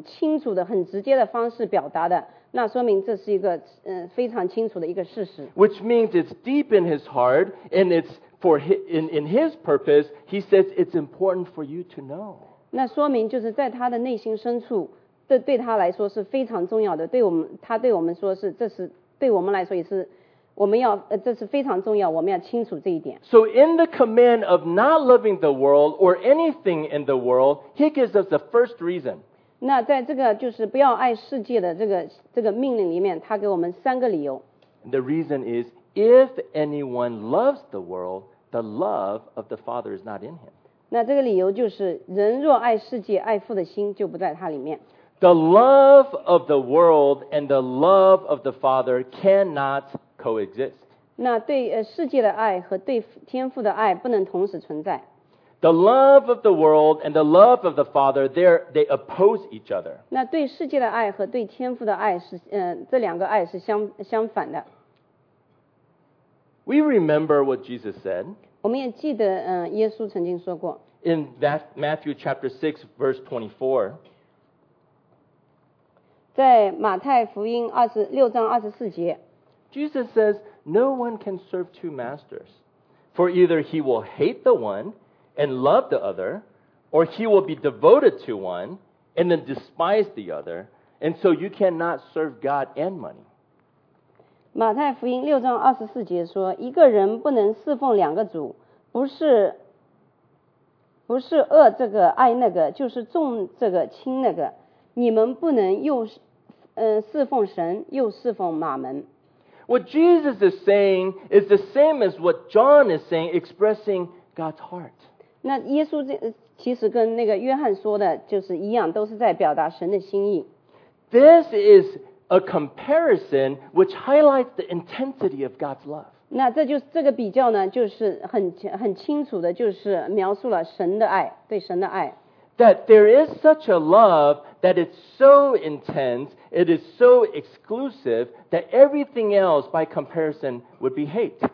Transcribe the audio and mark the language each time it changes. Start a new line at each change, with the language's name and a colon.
Chinese: 那当任何事情是通过一种很清楚的、很直接的方式表达的。那说明这是一个非常清楚的一个事实。
English: Which means it's deep in his heart, and it's for his purpose. He says it's important for you to know.
Chinese: 那说明就是在他的内心深处，这对他来说是非常重要的。对我们，他对我们说是，这是对我们来说也是，我们要这是非常重要，我们要清楚这一点。
English: So in the command of not loving the world or anything in the world, he gives us the first reason.
Chinese: 那在这个就是不要爱世界的这个命令里面，他给我们三个理由。
English: The reason is, if anyone loves the world, the love of the Father is not in him.
Chinese: 那这个理由就是，人若爱世界，爱父的心就不在他里面。The
English: love of the world and the love of the Father cannot coexist.
Chinese: 那对世界的爱和对天父的爱不能同时存在。
English: The love of the world and the love of the Father, they oppose each other.
Chinese: 那对世界的爱和对天父的爱是，这两个爱是相反的。
English: We remember what Jesus said.
Chinese: 我们也记得，耶稣曾经说过。
English: In that Matthew chapter 6, verse 24.
Chinese: 在马太福音二十六章二十四节
English: ，Jesus says, "No one can serve two masters, for either he will hate the one and love the other, or he will be devoted to one and then despise the other. And so you cannot serve God and money."
Chinese: 马太福音六章二十四节说，一个人不能侍奉两个主，不是恶这个爱那个，就是重这个轻那个。你们不能又侍奉神又侍奉马门。
English: What Jesus is saying is the same as what John is saying, expressing God's heart.
Chinese: 那耶稣其实跟那个约翰说的就是一样，都是在表达神的心意。
English: This is a comparison which highlights the intensity of God's love.
Chinese: 那这就是这个比较呢，就是很清楚的，就是描述了神的爱，对神的爱。
English: That there is such a love that it's so intense, it is so exclusive, that everything else by comparison would be hate.